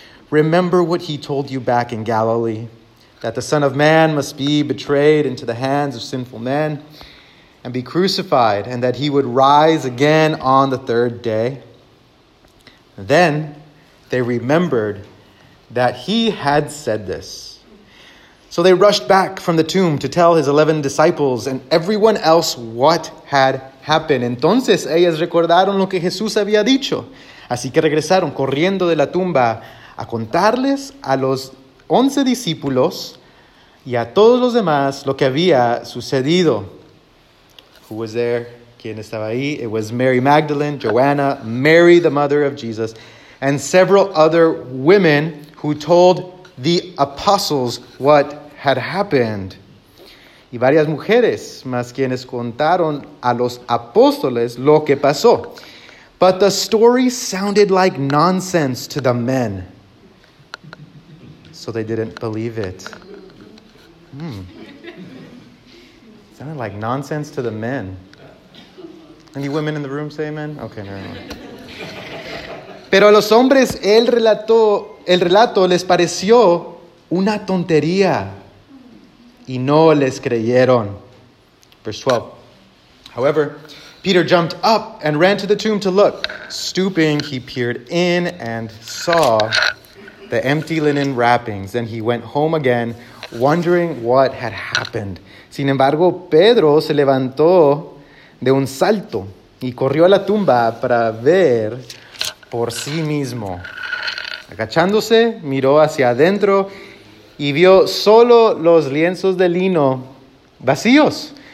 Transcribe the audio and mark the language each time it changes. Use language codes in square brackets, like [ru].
[en] Remember what he told you back in Galilee, that the Son of Man must be betrayed into the hands of sinful men and be crucified, and that he would rise again on the third day." Then they remembered that he had said this. So they rushed back from the tomb to tell his 11 disciples and everyone else what had happened. [es] Entonces ellas recordaron lo que Jesús había dicho. Así que regresaron corriendo de la tumba a contarles a los 11 discípulos y a todos los demás lo que había sucedido. [en] Who was there? [es] ¿Quién estaba ahí? [en] It was Mary Magdalene, Joanna, Mary, the mother of Jesus, and several other women who told the apostles what had happened. [es] Y varias mujeres más quienes contaron a los apóstoles lo que pasó. [en] But the story sounded like nonsense to the men, so they didn't believe it. Sounded like nonsense to the men. Any women in the room say amen? Okay, never mind. [es] Pero a los hombres el relato les pareció una tontería y no les creyeron. [en] Verse 12. However, Peter jumped up and ran to the tomb to look. Stooping, he peered in and saw the empty linen wrappings. Then he went home again, wondering what had happened. [es] Sin embargo, Pedro se levantó de un salto y corrió a la tumba para ver por sí mismo. Agachándose, miró hacia adentro y vio solo los lienzos de lino vacíos.